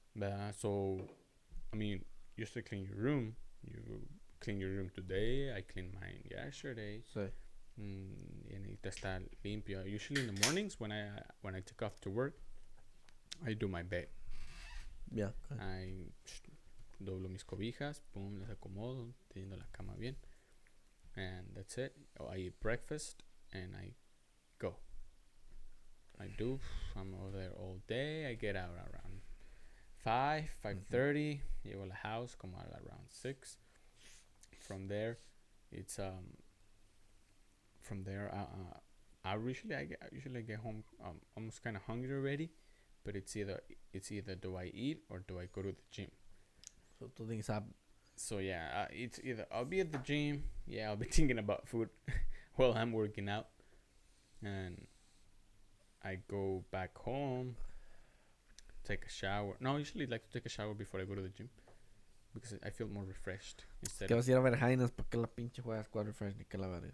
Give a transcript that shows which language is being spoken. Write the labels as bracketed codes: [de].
[en] But, so, I mean, you still clean your room. You clean your room today. I clean mine yesterday. [es] Sí. Y necesita estar limpio. [en] Usually in the mornings when I take off to work, I do my bed. Yeah. Okay. [es] Doblo mis cobijas, boom, las acomodo, teniendo la cama bien. [en] And that's it. I eat breakfast and I go. I do. I'm over there all day. I get out around 5:30. [es] Llego a la house como around 6. [en] From there, it's from there, I usually get home almost kind of hungry already, but it's either do I eat or do I go to the gym. So two things up. So yeah, it's either I'll be at the gym. Yeah, I'll be thinking about food while I'm working out, and I go back home, take a shower. No, I usually like to take a shower before I go to the gym because I feel more refreshed. [es] Que vas a ir a ver Jainas, ¿por qué la pinche juegas cuadro refresh ni qué la verga?